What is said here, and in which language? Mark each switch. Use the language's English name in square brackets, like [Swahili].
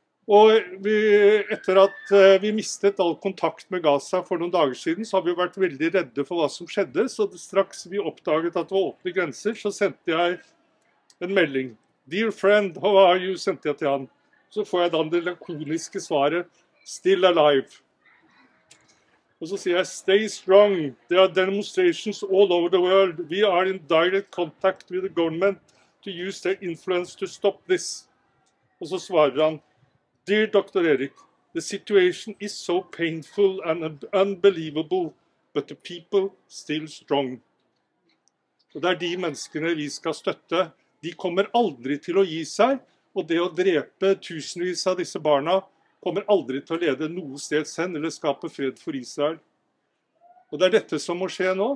[Norwegian] Og vi, etter at vi mistet all kontakt med Gaza for noen dager siden, så har vi vært veldig redde for hva som skjedde. Så straks vi oppdaget at det var åpne grenser, så sendte jeg en melding. [English] Dear friend, how are you? [Norwegian] Sendte jeg til han. Så får jeg da det lakoniske svaret. [English] Still alive. [Norwegian] Og så sier jeg, [English] stay strong. There are demonstrations all over the world. We are in direct contact with the government to use their influence to stop this. [Norwegian] Og så svarer han, [English] dear Dr. Erik, the situation is so painful and unbelievable, but the people still strong. [Norwegian] Og det er de menneskene vi skal støtte. De kommer aldri til å gi seg, og det å drepe tusenvis av disse barna kommer aldri til å lede noe sted hen eller skape fred for Israel. Og det er dette som må skje nå.